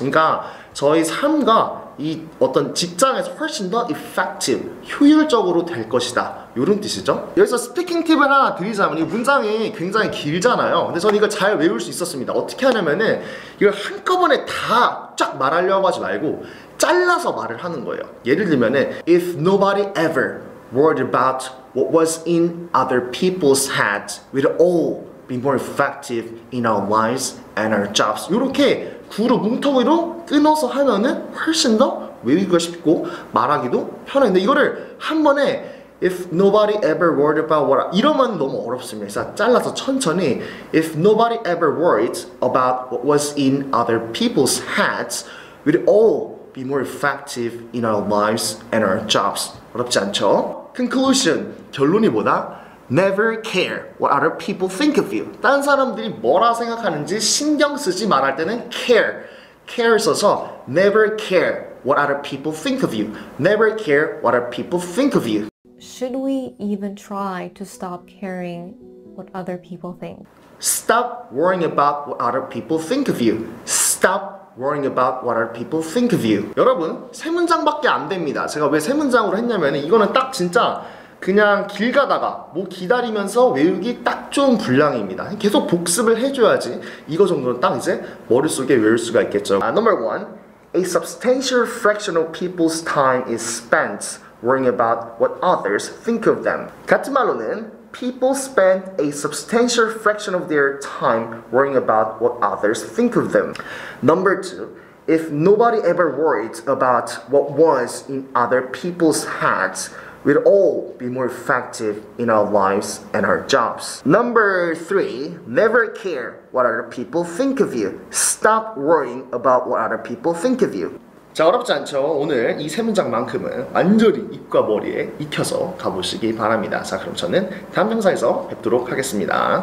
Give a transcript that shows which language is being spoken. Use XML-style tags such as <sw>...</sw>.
<ko>그러니까 저희 삶과 이 어떤 직장에서 훨씬 더 effective, 효율적으로 될 것이다. 이런 뜻이죠. 여기서 스피킹 팁을 하나 드리자면 이 문장이 굉장히 길잖아요. 근데 저는 이걸 잘 외울 수 있었습니다. 어떻게 하냐면은 이걸 한꺼번에 다 쫙 말하려고 하지 말고 잘라서 말을 하는 거예요. 예를 들면은</ko> <en>If nobody ever worried about what was in other people's heads, we'd all be more effective in our lives and our jobs.</en> <ko>이렇게 구로 뭉텅이로 끊어서 하면은 훨씬 더 외우기가 쉽고 말하기도 편해. 근데 이거를 한 번에</ko> <en>If nobody ever worried about what</en> <ko>이러면 너무 어렵습니다. 그래서 잘라서 천천히</ko> <en>If nobody ever worried about what was in other people's heads, we'd all be more effective in our lives and our jobs.</en> <ko>어렵지 않죠? Conclusion, 결론이 뭐다?</ko> <en>Never care what other people think of you.</en> <ko>다른 사람들이 뭐라 생각하는지 신경 쓰지 말할 때는 care.</ko> <en>Care</en> <ko>써서</ko> <en>Never care what other people think of you. Never care what other people think of you. Should we even try to stop caring what other people think? Stop worrying about what other people think of you. Stop worrying about what other people think of you.</en> <ko>여러분, 세 문장밖에 안 됩니다. 제가 왜 세 문장으로 했냐면 이거는 딱 진짜 그냥 길 가다가 뭐 기다리면서 외우기 딱 좋은 분량입니다. 계속 복습을 해줘야지 이거 정도는 딱 이제 머릿속에 외울 수가 있겠죠.</ko> <en>Number one, a substantial fraction of people's time is spent worrying about what others think of them.</en> <ko>같은 말로는</ko> <en>people spend a substantial fraction of their time worrying about what others think of them. Number two, if nobody ever worried about what was in other people's heads, we'd all be more effective in our lives and our jobs. Number three, never care what other people think of you. Stop worrying about what other people think of you.</en> <ko>자, 어렵지 않죠? 오늘 이 세 문장만큼은 완전히 입과 머리에 익혀서 가보시기 바랍니다. 자, 그럼 저는 다음 영상에서 뵙도록 하겠습니다.</ko>